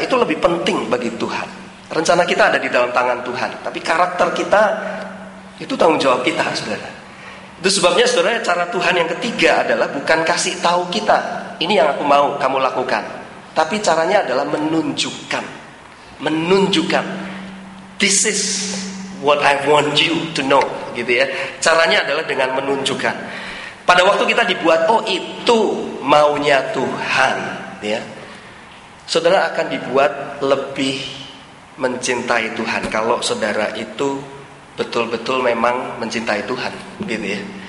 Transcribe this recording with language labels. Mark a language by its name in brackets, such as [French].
[Indonesian] Itu lebih penting bagi Tuhan. Rencana kita ada di dalam tangan Tuhan, tapi karakter kita itu tanggung jawab kita saudara. Itu sebabnya saudara, cara Tuhan yang ketiga adalah bukan kasih tahu kita, ini yang aku mau kamu lakukan, tapi caranya adalah menunjukkan. Menunjukkan, [English] this is what I want you to know, [Indonesian] gitu ya. Caranya adalah dengan menunjukkan. Pada waktu kita dibuat, oh itu maunya Tuhan, ya. Saudara akan dibuat lebih mencintai Tuhan kalau saudara itu betul-betul memang mencintai Tuhan, gitu ya.